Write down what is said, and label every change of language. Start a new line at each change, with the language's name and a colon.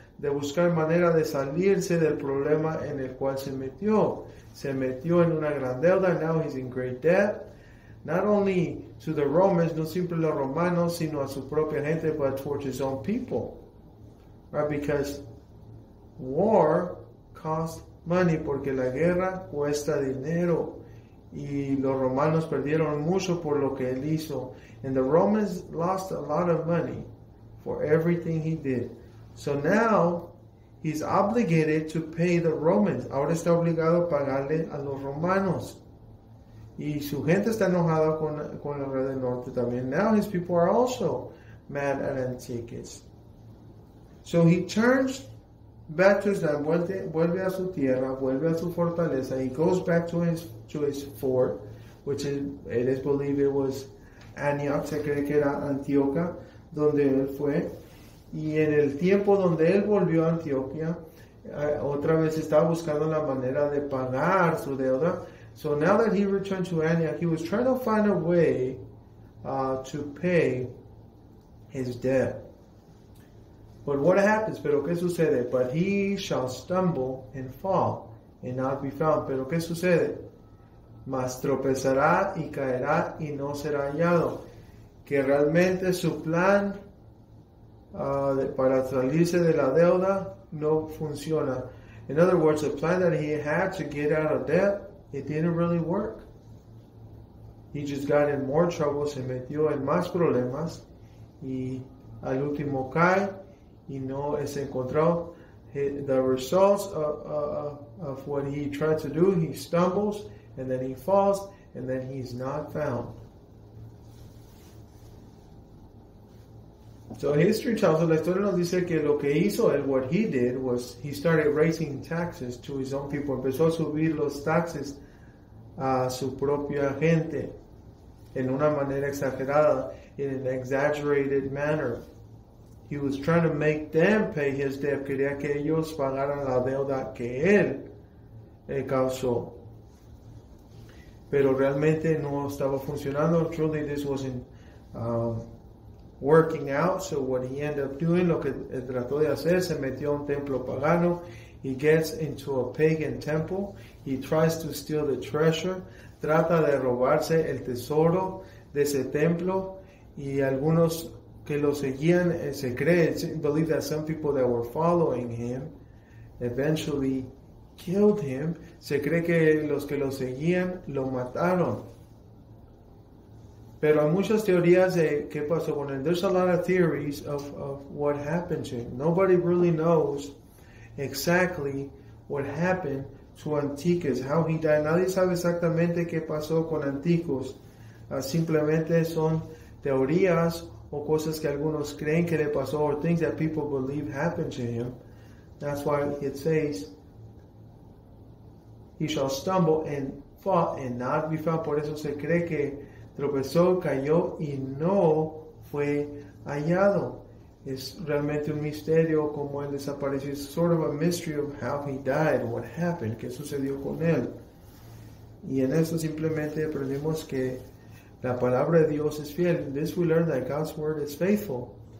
Spanish: de buscar manera de salirse del problema en el cual se metió. Se metió en una gran deuda.
English: Now he's in great debt. Not only to the Romans,
Spanish: no simple los romanos, sino a su propia gente,
English: but towards his own people. Right? Because war costs money,
Spanish: porque la guerra cuesta dinero. Y los romanos perdieron mucho por lo que él hizo.
English: And the Romans lost a lot of money for everything he did. So now, he's obligated to pay the Romans.
Spanish: Ahora está obligado a pagarle a los romanos. Y su gente está enojada con el rey del norte también.
English: Now his people are also mad at Antiochus. So he turns back to his land,
Spanish: vuelve a su tierra, vuelve a su fortaleza.
English: He goes back to his fort, which is, it is believed it was Antioch,
Spanish: se cree que era Antioquia, donde él fue. Y en el tiempo donde él volvió a Antioquia, otra vez estaba buscando la manera de pagar su deuda.
English: So now that he returned to Antioch, he was trying to find a way to pay his debt. But what happens?
Spanish: Pero qué sucede?
English: But he shall stumble and fall and not be found.
Spanish: Pero qué sucede? Mas tropezará y caerá y no será hallado. Que realmente su plan para salirse de la deuda no funciona.
English: In other words, the plan that he had to get out of debt, it didn't really work. He just got in more trouble,
Spanish: se metió en más problemas, y al último cae y no es encontrado.
English: The results of what he tried to do, he stumbles and then he falls and then he's not found. So history tells us,
Spanish: la historia nos dice que lo que hizo él,
English: what he did was he started raising taxes to his own people.
Spanish: Empezó a subir los taxes a su propia gente en una manera exagerada,
English: in an exaggerated manner. He was trying to make them pay his debt.
Spanish: Quería que ellos pagaran la deuda que él causó. Pero realmente no estaba funcionando.
English: Truly this wasn't working out. So what he ended up doing,
Spanish: lo que trató de hacer, se metió a un templo pagano.
English: He gets into a pagan temple. He tries to steal the treasure.
Spanish: Trata de robarse el tesoro de ese templo. Y algunos que lo seguían, se cree,
English: believe that some people that were following him eventually killed him.
Spanish: Se cree que los que lo seguían lo mataron. Pero hay muchas teorías de qué pasó con él.
English: There's a lot of theories of what happened to him. Nobody really knows exactly what happened to Antiochus, how he died.
Spanish: Nadie sabe exactamente qué pasó con Antiochus. Simplemente son teorías o cosas que algunos creen que le pasó,
English: or things that people believe happened to him. That's why it says, he shall stumble and fall and not be found.
Spanish: Por eso se cree que tropezó, cayó y no fue hallado. Es realmente un misterio cómo él desapareció.
English: It's sort of a mystery of how he died, what happened,
Spanish: qué sucedió con él. Y en eso simplemente aprendimos que la palabra de Dios es fiel.
English: In this we learn that God's word is faithful.